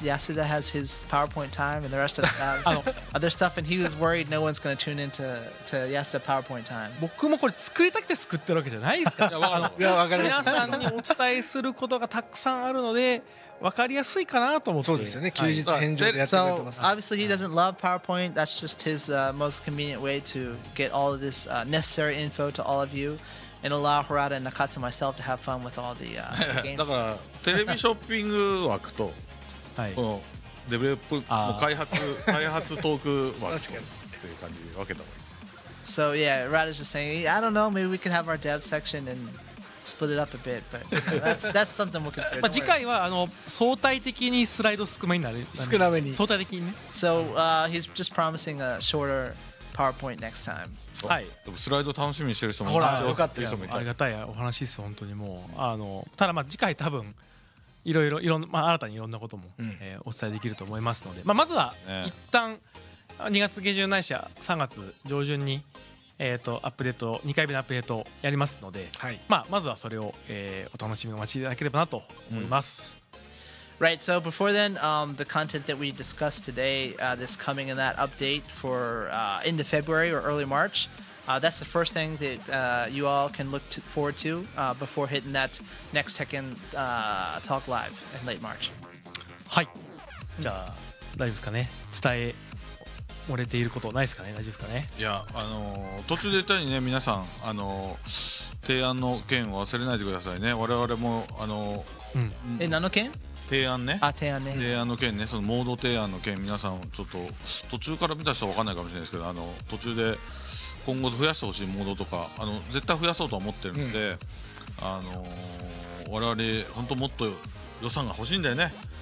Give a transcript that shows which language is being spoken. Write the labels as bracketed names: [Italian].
[English] Yasuda has his PowerPoint time and the rest of the other stuff, and he was worried no one's going to tune into to Yasuda PowerPoint time. [Japanese] 僕もこれ作りたくて作ってるわけじゃないですか。いや、わかりやすい。皆さんにお伝えすることがたくさんあるので、わかりやすいかなと思って。そうですよね。休日返上でやってくれてます。 [English] So obviously he doesn't love PowerPoint. That's just his、most convenient way to get all of this、necessary info to all of you. and allow Harada and Nakatsu and myself to have fun with all the games. [Japanese] だからテレビショッピング枠と、はい、このデベロップ開発開発トーク枠っていう感じで分けた方がいいです。 [English] So yeah, Harada's just saying, I don't know, maybe we can have our dev section and split it up a bit, but that's something we'll consider. [Japanese] 次回はあの相対的にスライド少めになる。少なめに。相対的にね。 [English] So he's just promising a shorter PowerPoint next time. [Japanese] はい、でもスライド楽しみにしてる人もいますよ。ほら、よかったよ。ありがたいお話です、本当にもう。あのただ、次回多分、いろいろ、まあ、新たにいろんなことも、うん、お伝えできると思いますので、まあ、まずは、一旦、2月下旬ないしは3月上旬に、アップデート、2回目のアップデートやりますので、はい、まあ、まずはそれを、お楽しみお待ちいただければなと思います。うん、 [English] Right, so before then, the content that we discussed today, this coming in that update for into February or early March, that's the first thing that you all can look forward to before hitting that next Tekken Talk Live in late March. [Japanese] はい。じゃあ、大丈夫ですかね。伝え漏れていることないですかね。大丈夫ですかね。いや、途中で言ったようにね、皆さん、提案の件を忘れないでくださいね。我々も、うん、何の件？提案ね。あ、提案ね。提案の件ね、そのモード提案の件、皆さんちょっと途中から見た人は分かんないかもしれないですけど、途中で今後増やしてほしいモードとか、絶対増やそうと思ってるんで、うん、我々本当もっと予算が欲しいんだよね。